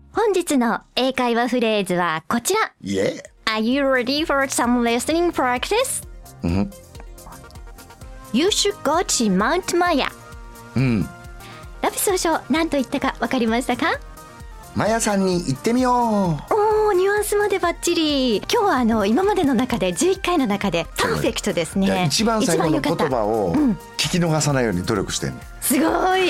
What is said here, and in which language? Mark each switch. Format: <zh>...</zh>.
<ja>本日の英会話フレーズはこちら。</ja> <en>Yeah. Are you ready for some listening practice? You should go to Mount Maya.</en> <ja>ラピス和尚、何と言ったか分かりましたか？マヤさんに行ってみよう。おお、ニュアンスまでバッチリ。今日はあの今までの中で11回の中でパーフェクトですね。一番最後の言葉を聞き逃さないように努力してる。すごい。</ja>